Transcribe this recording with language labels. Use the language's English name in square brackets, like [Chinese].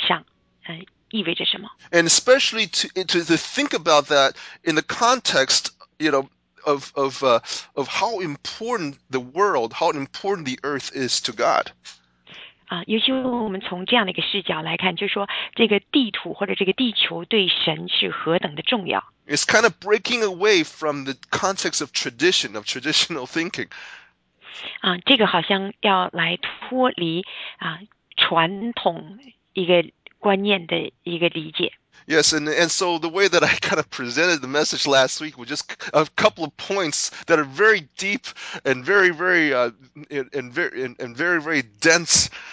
[Chinese] 我相信很多人有读这篇的信息，我希望至少它可以开始帮助我们去思考，到底作为一个职场的基督徒，我们这样活在地上，意味着什么？ [English] And especially to think about that in the context, you know, of how important the world, how important the earth is to God. [Chinese] 尤其我们从这样的一个视角来看，就是说这个地图或者这个地球对神是何等的重要。 [English] It's kind of breaking away from the context of tradition, of traditional thinking. [Chinese] 这个好像要来脱离传统一个观念的一个理解。 [English] Yes, and so the way that I kind of presented the message last week was just a couple of points that are very deep and very, very, very dense.